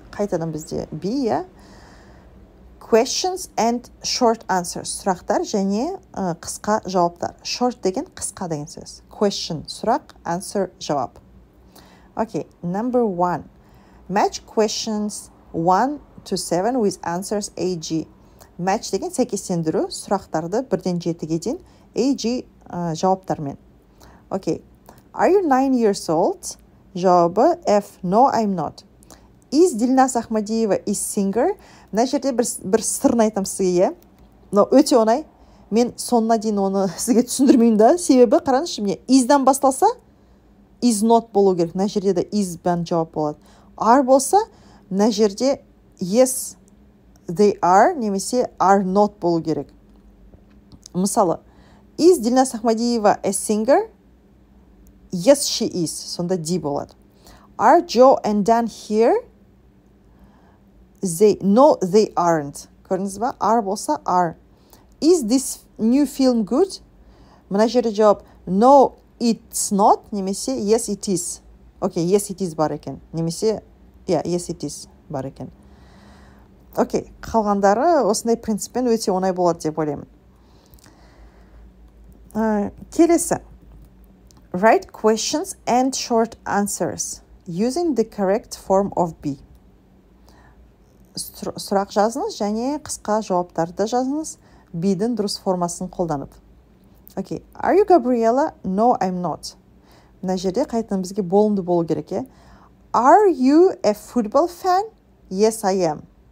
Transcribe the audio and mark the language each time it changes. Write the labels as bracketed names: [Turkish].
[Kazakh] Қайтадан бізде [English] B, Questions and short answers. [Kazakh] Сұрақтар және қысқа жауаптар. Short деген қысқа деген сөз. Question сұрақ, answer жауап. [English] Okay, number one. Match questions 1 to 7 with answers A, G. [Kazakh] Match деген сәйкестендіру сұрақтарды бірден жетіге дейін A, G жауаптармен. [English] Okay, are you 9 years old? [Kazakh] Жауабы [English] F, no, I'm not. Is Dilnaz Ahmadiyeva a singer? [Kazakh] Мына жерде бір сырын айтам сізге, е? Но өте оңай. Мен соңына дейін оны сізге түсіндірмеймін да. Себебі, қараңызшы, міне, is-дан басталса, is not болу керек. Мына жерде де is бен жауап болады. Are болса, мына жерде [English] yes, they are, [Kazakh] немесе are not болу керек. Мысалы, [English] is Dilnaz Ahmadiyeva a singer? Yes, she is. [Kazakh] Сонда D болады. [English] Are Joe and Dan here? They, no, they aren't. [Kazakh] Көрдіңіз ба? [English] Are болса, are. Is this new film good? [Kazakh] Мына жерде жауап, [English] no, it's not. Немесе, yes, it is. Okay, yes, it is [Kazakh] бар екен. [English] Немесе, yeah, yes, it is бар екен. [Kazakh] Okay, қалғандары осындай принциппен өте оңай болады деп ойлаймын. Келесі. [English] Write questions and short answers using the correct form of B. [Kazakh] Сұрақ жазыңыз және қысқа жауаптарды жазыңыз B-дің дұрыс формасын қолданып. [English] Okay, are you Gabriella? No, I'm not. [Kazakh] Мына жерде қайтадан бізге болымды болу керек, е? [English] Are you a football fan? Yes, I am.